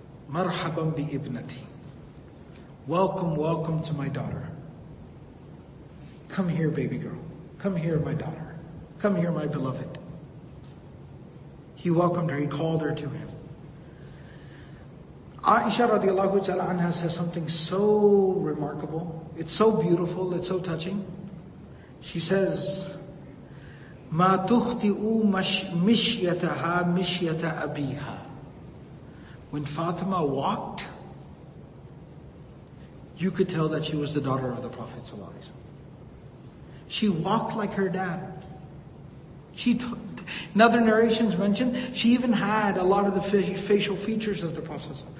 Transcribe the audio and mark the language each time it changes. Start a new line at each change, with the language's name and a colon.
Arabic: Marhaban bi ibnati.
English: Welcome, welcome to my daughter. Come here, baby girl. Come here, my daughter. Come here, my beloved. He welcomed her, he called her to him. Aisha radiallahu ta'ala anha says something so remarkable. It's so beautiful, it's so touching. She says,
Arabic: مَا تُخْتِئُ مِشْيَتَهَا مِشْيَتَ أَبِيهَا.
English: When Fatima walked, you could tell that she was the daughter of the Prophet ﷺ. She walked like her dad. In other narrations mentioned, she even had a lot of the facial features of the Prophet ﷺ.